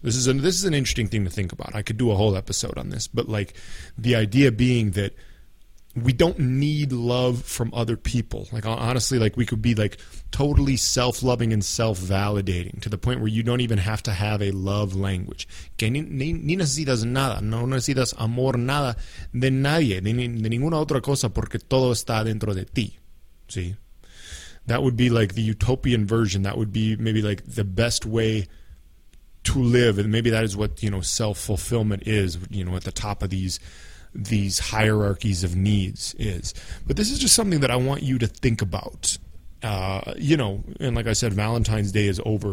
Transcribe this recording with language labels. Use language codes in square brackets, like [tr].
[en] This is an interesting thing to think about. I could do a whole episode on this. But, like, the idea being that we don't need love from other people. Like, honestly, like, we could be, like, totally self-loving and self-validating to the point where you don't even have to have a love language. [es] Que ni necesitas nada. No necesitas amor nada de nadie. De ninguna otra cosa porque todo está dentro de ti. [en] See? That would be, like, the utopian version. That would be maybe, like, the best way to live. And maybe that is what, you know, self-fulfillment is, you know, at the top of these hierarchies of needs is. But this is just something that I want you to think about. You know, and like I said, Valentine's Day is over.